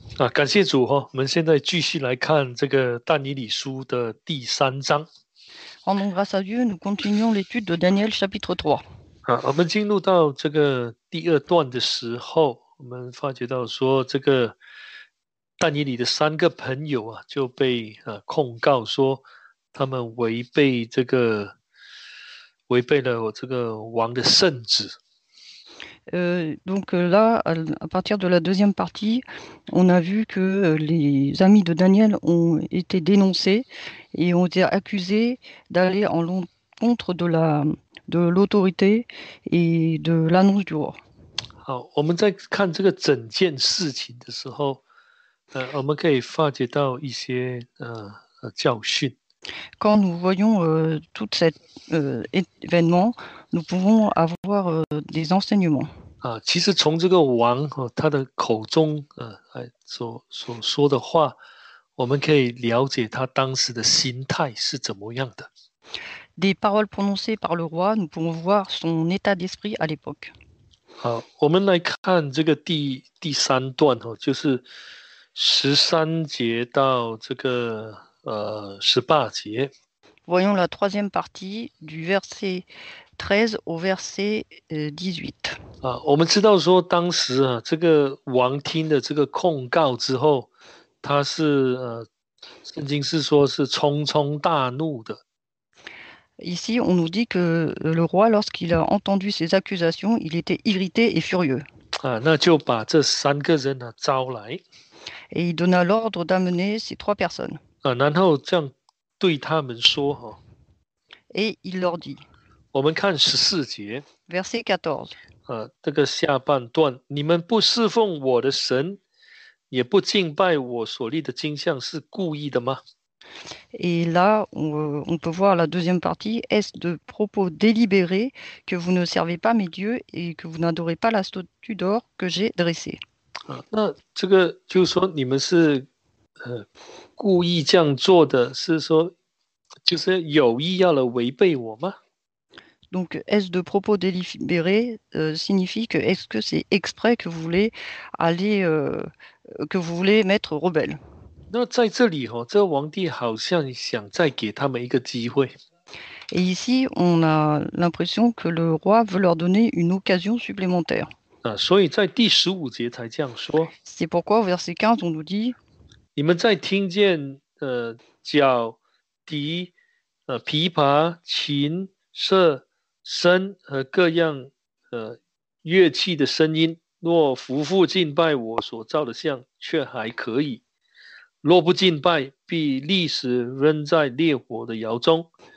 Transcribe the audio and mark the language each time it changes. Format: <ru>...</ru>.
<zh>啊，感谢主哈，我们现在继续来看这个但以理书的第三章。</zh> <fr>Rendons grâce à Dieu, nous continuons l'étude de Daniel chapitre 3.</fr> <zh>啊，我们进入到这个第二段的时候，我们发觉到说，这个但以理的三个朋友啊，就被控告说，他们违背了我这个王的圣旨。</zh> <fr>Là, à partir de la deuxième partie, on a vu que les amis de Daniel ont été dénoncés et ont été accusés d'aller en l'encontre de l'autorité et de l'annonce du roi.</fr> <zh>好，我们在看这个整件事情的时候，我们可以发掘到一些教训。</zh> <fr>Quand nous voyons tout cet événement, nous pouvons avoir des enseignements.</fr> <zh>啊，其实从这个王他的口中所说的话，我们可以了解他当时的心态是怎么样的。</zh> <fr>Des paroles prononcées par le roi, nous pouvons voir son état d'esprit à l'époque.</fr> <zh>好，我们来看这个第三段就是13节到这个18节。</zh> <fr>Voyons la troisième partie du verset 13 au verset 18.</fr> <zh>啊，我们知道说当时啊，这个王听的这个控告之后，他是圣经是说是匆匆大怒的。</zh> <fr>Ici, on nous dit que le roi, lorsqu'il a entendu ces accusations, il était irrité et furieux.</fr> <zh>啊，那就把这三个人呢招来，</zh> <fr>Et il donna l'ordre d'amener ces trois personnes.</fr> <zh>啊，然后这样对他们说哈，</zh> <fr>Et il leur dit,</fr> <zh>我们看14节，</zh> <fr>verset 14.</fr> <zh>这个下半段，你们不侍奉我的神，也不敬拜我所立的金像，是故意的吗？</zh> <fr>Et là, on peut voir la deuxième partie, est-ce de propos délibérés que vous ne servez pas mes dieux et que vous n'adorez pas la statue d'or que j'ai dressée?</fr> <zh>啊，那这个就是说你们是，故意这样做的，是说，就是有意要来违背我吗？</zh> <fr>Donc, est-ce de propos délibérés signifie que est-ce que c'est exprès que vous voulez aller que vous voulez m'être rebelle?</fr> <zh>那在这里哦，这王帝好像想再给他们一个机会。</zh> <fr>Et ici, on a l'impression que le roi veut leur donner une occasion supplémentaire.</fr> <zh>啊，所以在第15节才这样说。</zh> <fr>C'est pourquoi au verset 15, on nous dit</fr> <zh>你们在听见角、笛、琵琶、琴、瑟、笙和各样乐器的声音，若夫妇敬拜我所造的像，却还可以；若不敬拜，必立时扔在烈火的窑中。</zh>